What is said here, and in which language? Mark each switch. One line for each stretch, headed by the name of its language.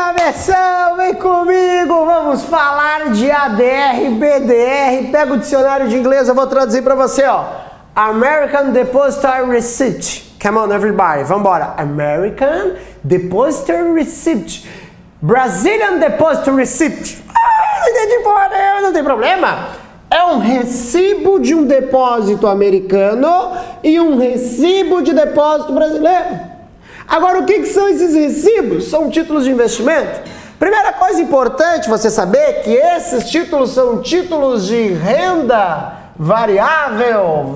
Portuguese: versão, vem comigo, vamos falar de ADR, BDR, pega o dicionário de inglês, eu vou traduzir pra você, ó.
English: American Depositary Receipt. Come on, everybody,
Portuguese: vambora.
English: American Depositary Receipt. Brazilian Depositary Receipt.
Portuguese: Ah, não entendi porra nenhuma, não tem problema. É um recibo de um depósito americano e um recibo de depósito brasileiro. Agora, o que são esses recibos? São títulos de investimento? Primeira coisa importante você saber é que esses títulos são títulos de renda variável.